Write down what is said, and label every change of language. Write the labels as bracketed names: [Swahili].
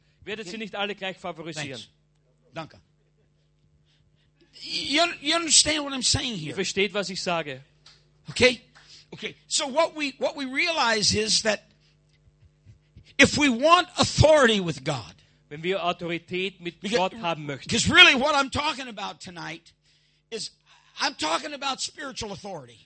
[German] Ihr werdet sie nicht alle gleich favorisieren. Danke. [English] You understand what I'm saying here. [German] Ihr versteht, was ich sage. [English] Okay? Okay. So what we realize is that if we want authority with God, [German] wenn wir Autorität mit Gott haben möchten. [English] Because really what I'm talking about tonight is I'm talking about spiritual authority.